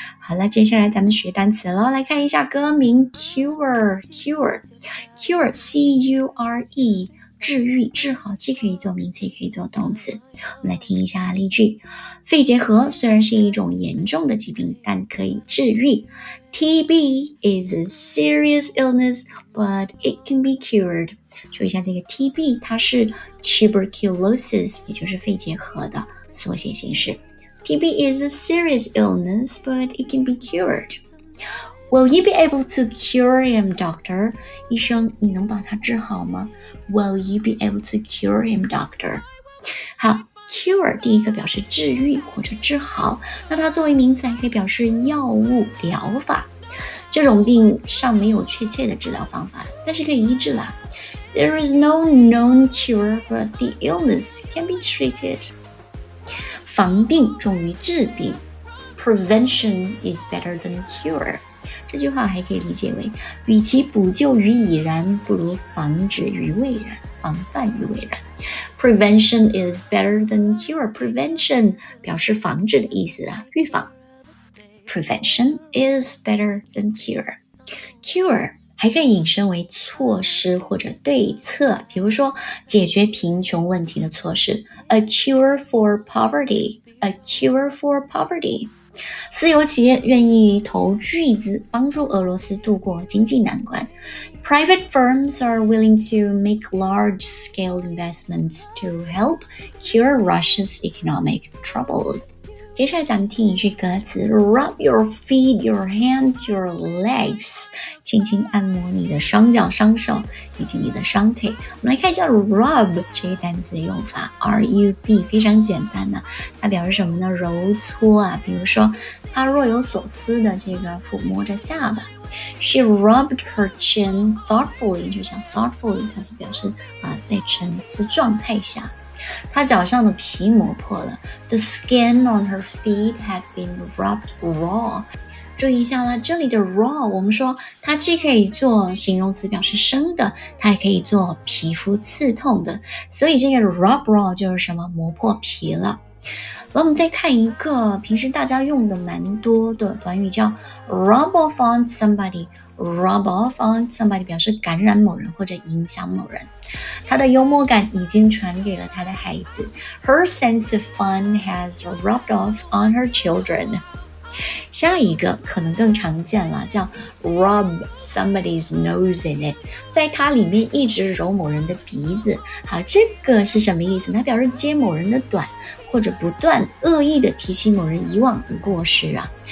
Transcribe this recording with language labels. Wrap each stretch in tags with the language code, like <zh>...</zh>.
<zh>好了，接下来咱们学单词了，来看一下歌名 Cure， Cure， Cure， C-U-R-E，治愈、治好，既可以做名词，也可以做动词。我们来听一下例句：肺结核虽然是一种严重的疾病，但可以治愈。</zh> <en>TB is a serious illness, but it can be cured.</en> <zh>注意一下这个 TB， 它是 tuberculosis， 也就是肺结核的缩写形式。</zh> <en>TB is a serious illness, but it can be cured. Will you be able to cure him, doctor?</en> <zh>医生，你能把他治好吗？</zh> <en>Will you be able to cure him, doctor?</en> <zh>好 ,cure 第一个表示治愈或者治好，那它作为名词还可以表示药物疗法。这种病尚没有确切的治疗方法，但是可以医治啦。</zh> <en>There is no known cure, but the illness can be treated.</en> <zh>防病重于治病。</zh> <en>Prevention is better than cure.</en> <zh>这句话还可以理解为，与其补救于已然，不如防止于未然，防范于未然。</zh> <en>Prevention is better than cure.</en> <zh>Prevention 表示防止的意思啊，预防。</zh> <en>Prevention is better than cure.</en> <zh>Cure 还可以引申为措施或者对策，比如说解决贫穷问题的措施 ，</zh> <en>a cure for poverty. A cure for poverty.</en> <zh>私有企业愿意投巨资帮助俄罗斯度过经济难关。</zh> <en>Private firms are willing to make large-scale investments to help cure Russia's economic troubles.</en> <zh>接下来咱们听一句歌词</zh> <en>Rub your feet, your hands, your legs.</en> <zh>轻轻按摩你的双脚、双手以及你的双腿。我们来看一下 rub 这一单词的用法 ，rub 非常简单的、啊，它表示什么呢？揉搓啊，比如说她若有所思的这个抚摸着下巴 ，</zh> <en>She rubbed her chin thoughtfully，</en> <zh>就像 thoughtfully 它是表示啊在沉思状态下。她脚上的皮磨破了</zh> <en>，The skin on her feet had been rubbed raw。</en> <zh>注意一下啦，这里的 raw 我们说它既可以做形容词表示生的，它还可以做皮肤刺痛的，所以这个 rub raw 就是什么磨破皮了。那我们再看一个平时大家用的蛮多的短语，叫 rub off on somebody。 rub off on somebody 表示感染某人或者影响某人。他的幽默感已经传给了他的孩子。</zh> <en>Her sense of fun has rubbed off on her children。</en> <zh>下一个可能更常见了，叫 rub somebody's nose in it， 在它里面一直揉某人的鼻子。好，这个是什么意思？它表示揭某人的短，或者不断恶意地提起某人以往的过失啊。</zh>